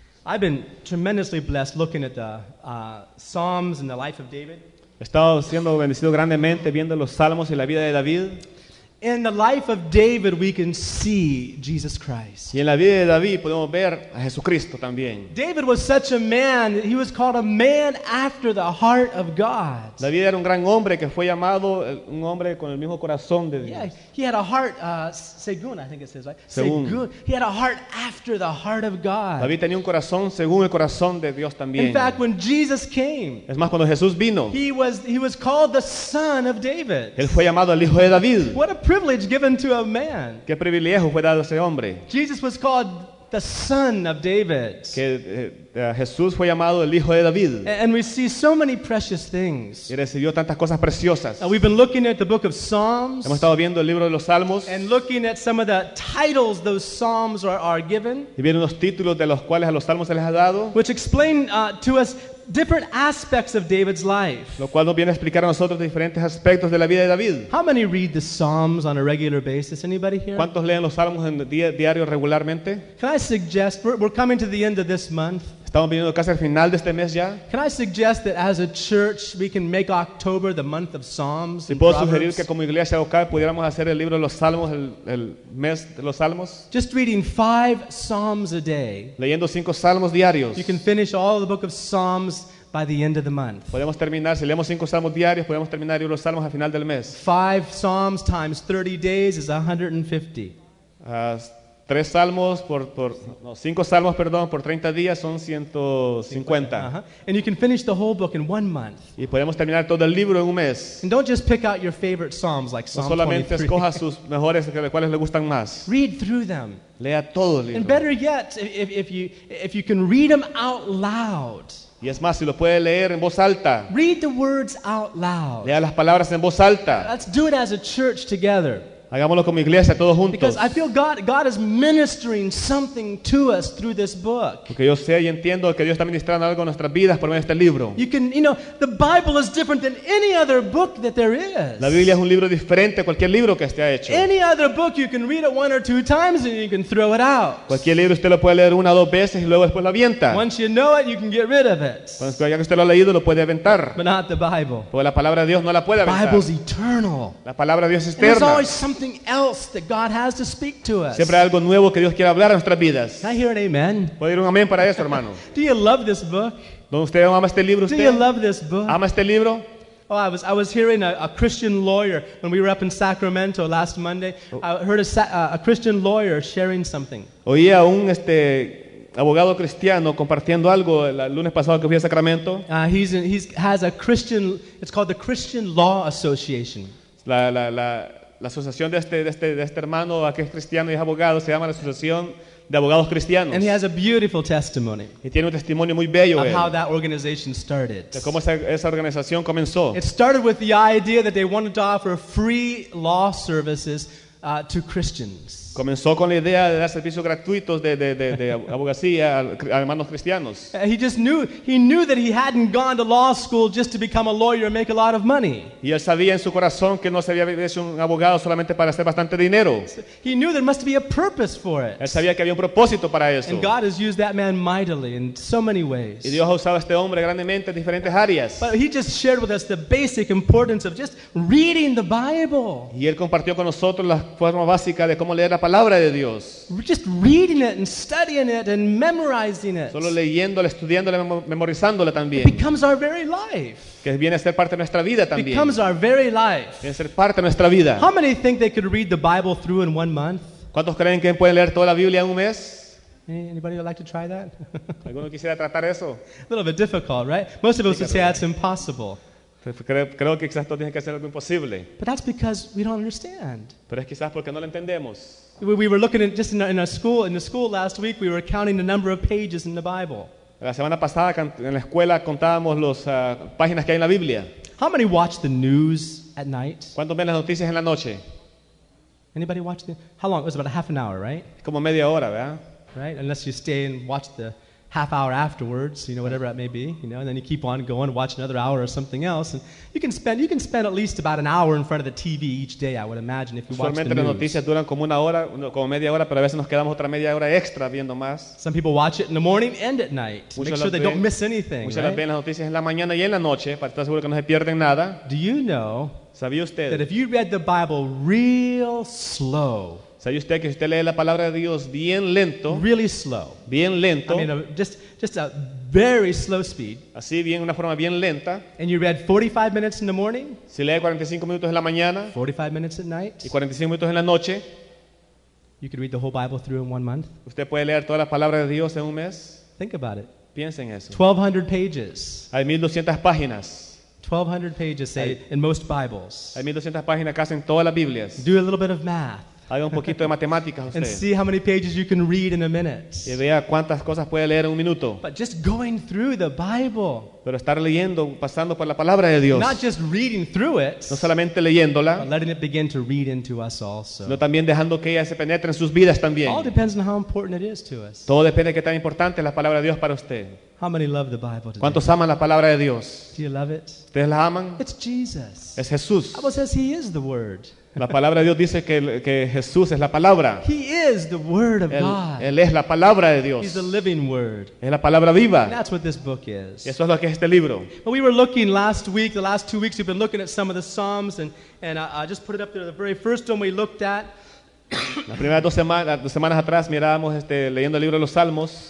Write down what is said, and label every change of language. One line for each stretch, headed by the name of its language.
English: I've been tremendously blessed looking at the Psalms and the life of David.
Spanish: He estado siendo bendecido grandemente viendo los salmos y la vida de David.
English: In the life of David, we can see Jesus Christ.
Spanish: Y en la vida de David podemos ver a Jesucristo también.
English: David was such a man; he was called a man after the heart of God.
Spanish: David era un gran hombre que fue llamado un hombre con el mismo corazón de Dios.
English: Yeah, he had a heart, según, I think it says, right? Según. He had a heart after the heart of God.
Spanish: David tenía un corazón según el corazón de Dios también.
English: In fact, when Jesus came,
Spanish: es más, cuando Jesús vino,
English: he was called the Son of David.
Spanish: Él fue llamado el hijo de David.
English: Privilege given to a man.
Spanish: ¿Qué privilegio fue dado a ese hombre?
English: Jesus was called the Son of David.
Spanish: Que Jesús fue llamado el hijo de David.
English: And we see so many precious things.
Spanish: Y recibió tantas cosas preciosas.
English: We've been looking at the book of Psalms.
Spanish: Hemos estado viendo el libro de los Salmos.
English: And looking at some of the titles those Psalms are given.
Spanish: Y viendo los títulos de los cuales a los Salmos se les ha dado.
English: Which explain to us different aspects of David's life.
Spanish: Lo cual nos viene a explicar a nosotros diferentes aspectos de la vida de David.
English: How many read the Psalms on a regular basis? Anybody here?
Spanish: ¿Cuántos leen los Salmos en diario regularmente?
English: Can I suggest we're coming to the end of this month?
Spanish: Estamos viniendo casi al final de este mes ya.
English: Can I suggest that as a church we can make October the month of Psalms?
Spanish: ¿Puedo sugerir que como iglesia local pudiéramos hacer el libro de los Salmos el mes de los Salmos?
English: Just reading 5 Psalms a day.
Spanish: Leyendo 5 Salmos diarios.
English: You can finish all the book of Psalms by the end of the month.
Spanish: Podemos terminar, si leemos 5 Salmos diarios, podemos terminar los Salmos al final del mes.
English: 5 Psalms times 30 days is 150.
Spanish: 3 salmos por no, 5 salmos, perdón, por 30 días son 150.
English: And you can finish the whole book in 1 month.
Spanish: Y podemos terminar todo el libro en un mes.
English: And don't just pick out your favorite psalms like Psalm 23.
Spanish: No solamente escoja sus mejores, de cuáles le gustan más.
English: Read through them.
Spanish: Lea todo el libro.
English: And better yet, if you can read them out loud.
Spanish: Y es más, si lo puede leer en voz alta.
English: Read the words out loud.
Spanish: Lea las palabras en voz alta.
English: Let's do it as a church together.
Spanish: Hagámoslo como iglesia, todos juntos.
English: Because I feel God is ministering something to us through this book.
Spanish: Porque yo sé y entiendo que Dios está ministrando algo en nuestras vidas por medio de este libro.
English: You can, you know, the Bible is different than any other book that there is.
Spanish: La Biblia es un libro diferente a cualquier libro que esté hecho.
English: Any other book you can read it one or two times and you can throw it out.
Spanish: Cualquier libro usted lo puede leer una o dos veces y luego después lo avienta.
English: Once you know it, you can get rid of it.
Spanish: Cuando ya que usted lo ha leído, lo puede aventar.
English: But not the Bible.
Spanish: Porque la palabra de Dios no la puede aventar.
English: The Bible's eternal.
Spanish: La palabra de Dios es eterna.
English: There's always something else that God has to speak to us.
Spanish: Siempre hay algo nuevo que Dios quiere hablar a nuestras vidas.
English: Can I hear an amen?
Spanish: ¿Puedo oír un amén para eso, hermano?
English: Do you love this book?
Spanish: ¿Usted ama este libro?
English: Do you love this book?
Spanish: ¿Ama este libro?
English: Oh, I was hearing a Christian lawyer when we were up in Sacramento last Monday. Oh. I heard a Christian lawyer sharing something.
Spanish: Oía un abogado cristiano compartiendo algo el lunes pasado que fui a Sacramento.
English: He has a Christian. It's called the Christian Law Association.
Spanish: La asociación de este hermano, que es cristiano y es abogado, se llama la Asociación de Abogados Cristianos.
English: And he has a beautiful testimony.
Spanish: Y tiene un testimonio muy bello.
English: Of how that organization started.
Spanish: De cómo esa organización comenzó.
English: It started with the idea that they wanted to offer free law services to Christians.
Spanish: Comenzó con la idea de dar servicios gratuitos de abogacía a hermanos cristianos.
English: He just knew that he hadn't gone to law school just to become a lawyer and make a lot of money.
Spanish: Y él sabía en su corazón que no se había hecho un abogado solamente para hacer bastante dinero.
English: He knew there must be a purpose for it.
Spanish: Él sabía que había un propósito para eso.
English: And God has used that man mightily in so many ways.
Spanish: Y Dios ha usado a este hombre grandemente en diferentes áreas.
English: But he just shared with us the basic importance of just reading the Bible.
Spanish: Y él compartió con nosotros la forma básica de cómo leer la palabra de Dios.
English: Just reading it and studying it and memorizing it.
Spanish: Solo leyéndola, estudiándola, memorizándola también.
English: It becomes our very life.
Spanish: Que viene a ser parte de nuestra vida también.
English: Becomes our very life.
Spanish: Viene a ser parte de nuestra vida.
English: How many think they could read the Bible through in 1 month?
Spanish: ¿Cuántos creen que pueden leer toda la Biblia en un mes?
English: Anybody would like to try that?
Spanish: ¿Alguno quisiera tratar eso?
English: A little bit difficult, right? Most of us would say that's impossible.
Spanish: Creo que quizás todo tiene que ser algo imposible.
English: But that's because we don't understand.
Spanish: Pero es quizás porque no lo entendemos.
English: We were looking at just in the school last week, we were counting the number of pages in the Bible.
Spanish: La semana pasada en la escuela contábamos las páginas que hay en la Biblia.
English: How many watch the news at night?
Spanish: ¿Cuántos ven las noticias en la noche?
English: Anybody watch the? How long? It was about a half an hour, right?
Spanish: Como media hora, ¿verdad?
English: Right, unless you stay and watch the half hour afterwards, you know, whatever that may be, you know, and then you keep on going, watch another hour or something else, and you can spend at least about an hour in front of the TV each day, I would imagine, if you watch the news.
Spanish: Las noticias duran como una hora, como media hora, pero a veces nos quedamos otra media hora extra viendo más.
English: Some people watch it in the morning and at night, make sure they don't miss anything.
Spanish: Muchas veces ven las noticias en la mañana y en la noche para estar seguro que no se pierden nada.
English: Do you know?
Spanish: ¿Sabía usted?
English: That if you read the Bible real slow.
Spanish: ¿Sabe usted que si usted lee la palabra de Dios bien lento?
English: Really slow.
Spanish: Bien lento.
English: I mean, just a very slow speed.
Spanish: Así bien, una forma bien lenta.
English: And you read 45 minutes in the morning.
Spanish: Si lee 45 minutos en la mañana.
English: 45 minutes at night.
Spanish: Y 45 minutos en la noche.
English: You could read the whole Bible through in 1 month.
Spanish: Usted puede leer toda la palabra de Dios en un mes.
English: Think about it.
Spanish: Piense en eso.
English: 1200 pages.
Spanish: Hay 1200 páginas.
English: 1200 pages say in most Bibles.
Spanish: Hay 1200 páginas casi en todas las Biblias.
English: Do a little bit of math.
Spanish: Haga un poquito de matemáticas usted.
English: And see how many pages you can read in a minute.
Spanish: Y vea cuántas cosas puede leer en un minuto.
English: But just going through the Bible.
Spanish: Pero estar leyendo, pasando por la palabra de Dios.
English: Not just reading through it.
Spanish: No solamente leyéndola.
English: But letting it begin to read into us also.
Spanish: Sino también dejando que ella se penetre en sus vidas también.
English: All depends on how important it is to us.
Spanish: Todo depende de qué tan importante es la palabra de Dios para usted.
English: How many love the Bible today?
Spanish: ¿Cuántos aman la palabra de Dios?
English: Do you love it?
Spanish: ¿Ustedes la aman?
English: It's Jesus.
Spanish: Es Jesús.
English: The Bible says He is the Word.
Spanish: La palabra de Dios dice que Jesús es la palabra.
English: He is the Word of God.
Spanish: Él es la palabra de Dios.
English: He's the living Word.
Spanish: Es la palabra viva.
English: And that's what this book is.
Spanish: Y eso es lo que es este libro.
English: But we were looking last week, the last 2 weeks, we've been looking at some of the Psalms, and I just put it up there, the very first one we looked at.
Spanish: Las primeras dos semanas atrás mirábamos leyendo el libro de los Salmos.